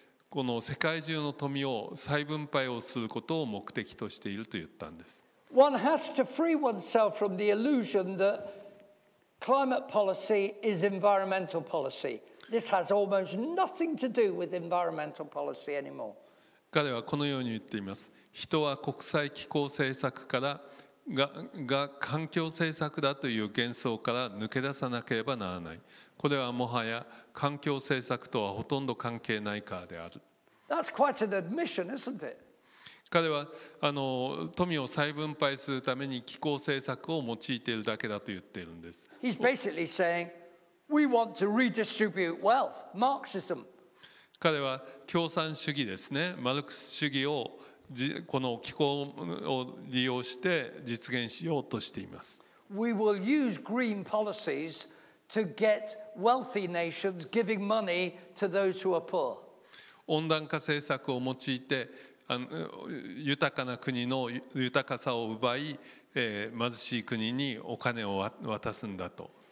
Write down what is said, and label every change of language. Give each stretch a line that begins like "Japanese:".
Japanese: この世界中の富を再分配をすることを目的としていると言ったんです。
English: One has to free oneself from the illusion that climate policy is environmental policy. This has almost nothing to do with environmental policy anymore.
Japanese: 彼はこのように言っています。人は国際気候政策からが環境政策だという幻想から抜け出さなければならない。これはもはや環境政策とはほとんど関係ないからである。
English: That's quite an admission, isn't it?
Japanese: 彼はあの富を再分配するために気候政策を用いているだけだと言っているんです。
English: He's basically saying, we want to redistribute wealth, Marxism.
Japanese: 彼は共産主義ですね、マルクス主義をこの気候を利用して実現しようとしています。
English: We will use green policies. To get wealthy nations giving money to those who are poor.
Japanese: 温暖化政策を用いて、豊かな国の豊かさを奪い、貧しい国にお金を渡すんだと。